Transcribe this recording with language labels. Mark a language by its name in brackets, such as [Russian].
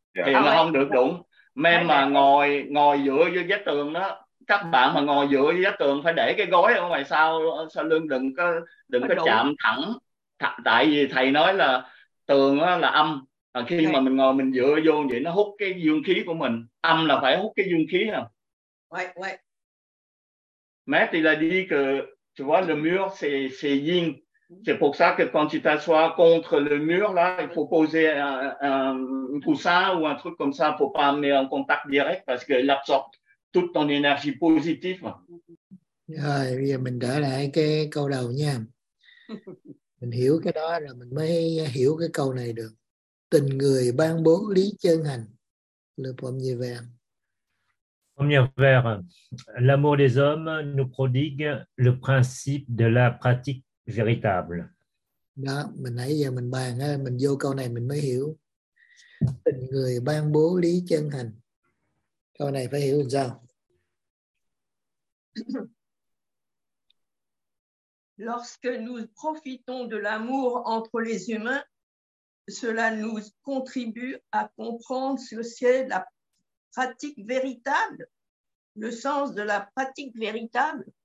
[Vietnamese] Thiền là không được đụng. Mem mà ngồi dựa vô vách tường đó, các bạn mà ngồi dựa vô vách tường phải để cái gối ở ngoài sau lưng, đừng có chạm thẳng. Tại vì thầy nói là tường là âm, và khi mà mình ngồi mình dựa vô vậy nó hút cái dương khí của mình. Âm là phải hút cái dương khí nào. [English] Wait. [French] Maître, il a dit que, tu vois, le mur, c'est yin. C'est pour ça que quand tu t'assois contre le mur, là, il faut poser un coussin ou un truc comme ça pour pas amener en contact direct parce qu'il absorbe toute ton énergie positive. [Vietnamese] Rồi, bây giờ mình trở lại cái câu đầu nha. Mình hiểu cái đó rồi mình mới hiểu cái câu này được. Tình người ban bố lý chân hành. [French] Le premier vers. Premier vers. L'amour des hommes nous prodigue le principe de la pratique véritable. [Vietnamese] Đó, mình nãy giờ mình bàn, mình vô câu này mình mới hiểu. Tình người ban bố lý chân hành. Câu này phải hiểu làm sao? [French] Lorsque nous profitons de l'amour entre les humains, cela nous contribue à comprendre ce qu'est la pratique véritable, le sens de la pratique véritable.